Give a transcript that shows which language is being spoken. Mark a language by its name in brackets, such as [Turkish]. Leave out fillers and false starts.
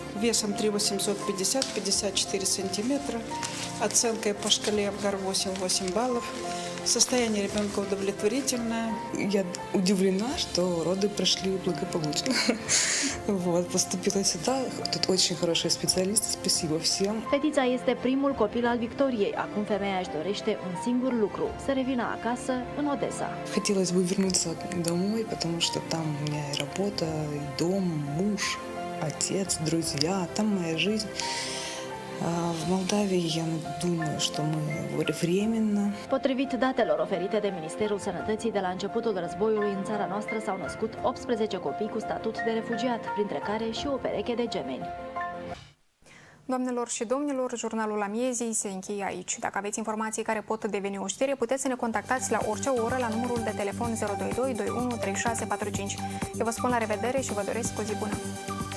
[Russian] Весом 3,850-54 сантиметра, оценкой по шкале Абгар 8,8 баллов, Состояние ребенка удовлетворительное. Я удивлена, что роды прошли благополучно. Вот, поступила сюда. Тут очень хорошие специалисты. Спасибо всем. [Romanian] Фетița este primul copil al Victoriei. Acum femeia își dorește un singur lucru. Să revină acasă, în Odessa. [Russian] Хотелось бы вернуться домой, потому что там у меня и работа, и дом, муж, отец, друзья. Там моя жизнь. В Молдавии я думаю, что мы временно. [Romanian] Potrivit datelor oferite de Ministerul Sănătății, de la începutul războiului în țara noastră s-au născut 18 copii cu statut de refugiat, printre care și o pereche de gemeni. Doamnelor și domnilor, jurnalul Amiezii se încheie aici. Dacă aveți informații care pot deveni o știre, puteți să ne contactați la orice oră la numărul de telefon 022 21 36 45. Eu vă spun la revedere și vă doresc o zi bună!